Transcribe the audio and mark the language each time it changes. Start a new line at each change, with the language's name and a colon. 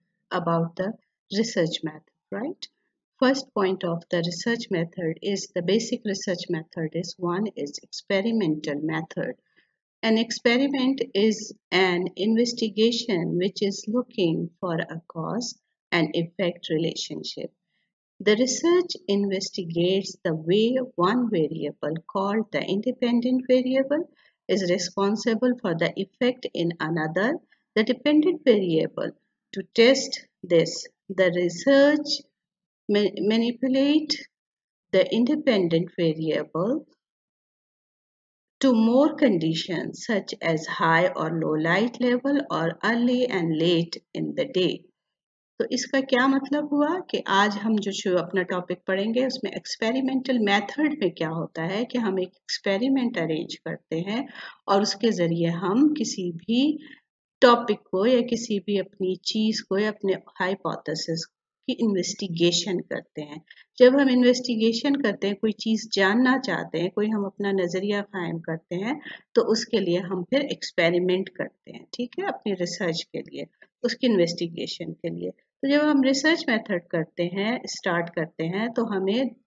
English: About the research method right first point of the research method is the basic research method is one is experimental method An experiment is an investigation which is looking for a cause and effect relationship. The research investigates the way one variable called the independent variable is responsible for the effect in another, the dependent variable. To test this, the research manipulate the independent variable to more conditions such as high or low light level or early and late in the day.
Urdu: تو اس کا کیا مطلب ہوا کہ آج ہم جو اپنا ٹاپک پڑھیں گے اس میں ایکسپیریمنٹل میتھڈ میں کیا ہوتا ہے کہ ہم ایک ایکسپیریمنٹ ارینج کرتے ہیں اور اس کے ذریعے ہم کسی بھی ٹاپک کو یا کسی بھی اپنی چیز کو یا اپنے ہائپوتھیسس کی انویسٹیگیشن کرتے ہیں جب ہم انویسٹیگیشن کرتے ہیں کوئی چیز جاننا چاہتے ہیں کوئی ہم اپنا نظریہ قائم کرتے ہیں تو اس کے لیے ہم پھر ایکسپیریمنٹ کرتے ہیں ٹھیک ہے اپنی ریسرچ کے لیے اس کی انویسٹیگیشن کے لیے تو جب ہم ریسرچ میتھڈ کرتے ہیں اسٹارٹ کرتے ہیں تو ہمیں